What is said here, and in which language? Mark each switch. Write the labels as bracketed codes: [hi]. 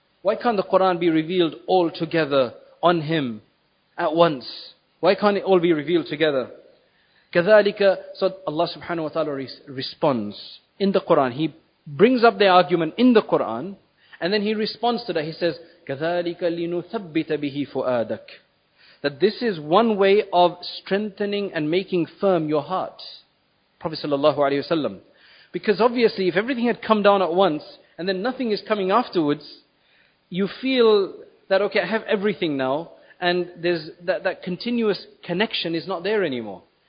[en] Why can't the Quran be revealed all together on him at once? Why can't it all be revealed together? كَذَلِكَ. So Allah subhanahu wa ta'ala responds in the Quran. He brings up the argument in the Quran, and then he responds to that. He says, [ar] كَذَلِكَ لِنُثَبِّتَ بِهِ فُؤَادَكَ. [en] That this is one way of strengthening and making firm your heart. Prophet sallallahu alayhi wa sallam. Because obviously, if everything had come down at once, and then nothing is coming afterwards, you feel that, okay, I have everything now, and there's that continuous connection is not there anymore.